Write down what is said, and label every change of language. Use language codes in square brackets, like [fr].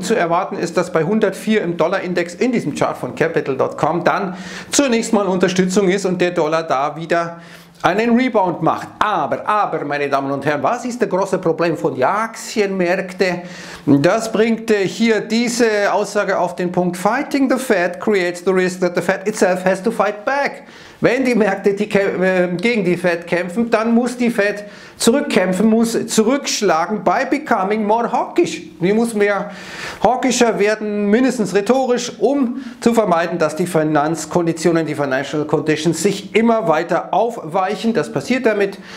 [de] Zu erwarten ist, dass bei 104 im Dollarindex in diesem Chart von Capital.com dann zunächst mal Unterstützung ist und der Dollar da wieder einen Rebound macht. Aber, meine Damen und Herren, was ist das große Problem von den Aktienmärkten? Das bringt hier diese Aussage auf den Punkt. [en] Fighting the Fed creates the risk that the Fed itself has to fight back. [de] Wenn die Märkte gegen die Fed kämpfen, dann muss die Fed zurückkämpfen, muss zurückschlagen [en] by becoming more hawkish. [de] Die muss mehr hawkischer werden, mindestens rhetorisch, um zu vermeiden, dass die Finanzkonditionen, die Financial Conditions sich immer weiter aufweichen. Das passiert damit.